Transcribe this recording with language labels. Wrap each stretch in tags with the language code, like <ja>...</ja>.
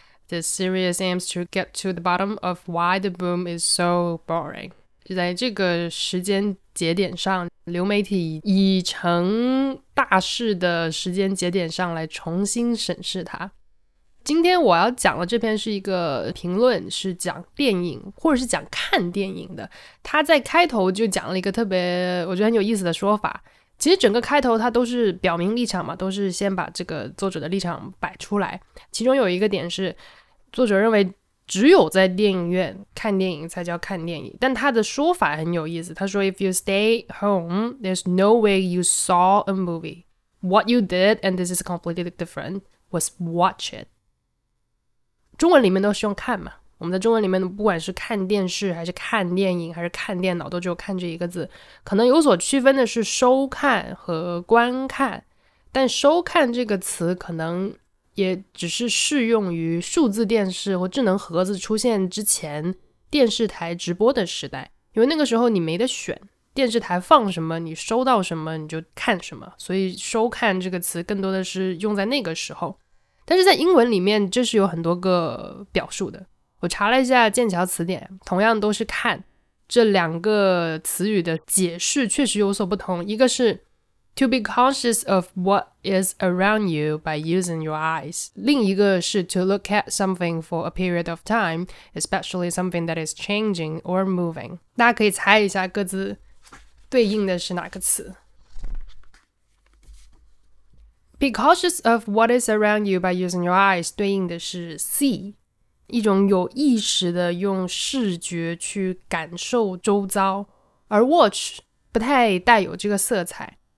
<en>The series aims to get to the bottom of why the boom is so boring.</en> <zh>在这个时间节点上，流媒体已成大事的时间节点上来重新审视它。今天我要讲的这篇是一个评论，是讲电影或者是讲看电影的。他在开头就讲了一个特别我觉得很有意思的说法，其实整个开头他都是表明立场嘛，都是先把这个作者的立场摆出来。其中有一个点是作者认为只有在电影院看电影才叫看电影，但他的说法很有意思，他说</zh> <en>If you stay home, there's no way you saw a movie. What you did, and this is completely different, was watch it.</en> <zh>中文里面都是用看嘛，我们在中文里面不管是看电视还是看电影还是看电脑都只有看这一个字，可能有所区分的是收看和观看，但收看这个词可能也只是适用于数字电视或智能盒子出现之前电视台直播的时代，因为那个时候你没得选，电视台放什么你收到什么你就看什么，所以收看这个词更多的是用在那个时候。但是在英文里面这是有很多个表述的，我查了一下剑桥词典，同样都是看，这两个词语的解释确实有所不同。一个是</zh> <en>to be conscious of what is around you by using your eyes，</en> <zh>另一个是</zh> <en>to look at something for a period of time， especially something that is changing or moving。</en> <zh>大家可以猜一下各自对应的是哪个词。</zh> <en>be conscious of what is around you by using your eyes</en> <zh>对应的是 see，一种有意识的用视觉去感受周遭，而 watch 不太带有这个色彩。</zh>